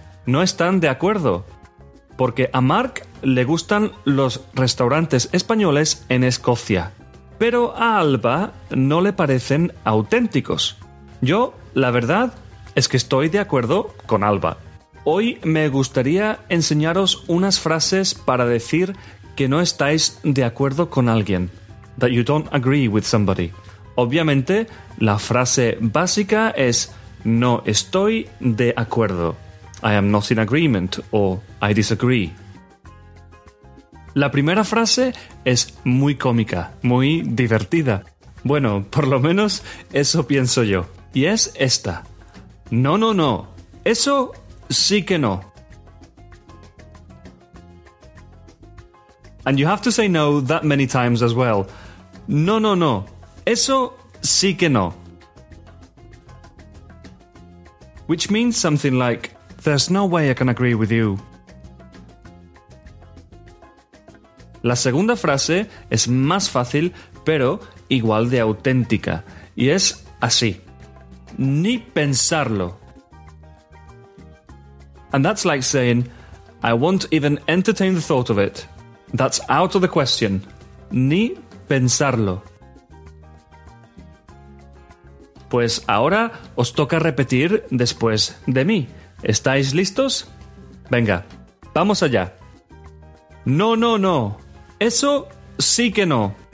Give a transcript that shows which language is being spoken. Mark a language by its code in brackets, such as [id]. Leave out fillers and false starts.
[es] No están de acuerdo. Porque a Mark le gustan los restaurantes españoles en Escocia. Pero a Alba no le parecen auténticos. Yo La verdad es que estoy de acuerdo con Alba. Hoy me gustaría enseñaros unas frases para decir que no estáis de acuerdo con alguien. [en] That you don't agree with somebody. [es] Obviamente, la frase básica es no estoy de acuerdo. [en] I am not in agreement o I disagree. [es] La primera frase es muy cómica, muy divertida. Bueno, por lo menos eso pienso yo. Y es esta. No, no, no. Eso sí que no. [en] And you have to say no that many times as well. [es] No, no, no. Eso sí que no. [en] Which means something like, there's no way I can agree with you. [es] La segunda frase es más fácil, pero igual de auténtica. Y es así. Ni pensarlo. [en] And that's like saying, I won't even entertain the thought of it. That's out of the question. [es] Ni pensarlo. Pues ahora os toca repetir después de mí. ¿Estáis listos? Venga, vamos allá. No, no, no. Eso sí que no.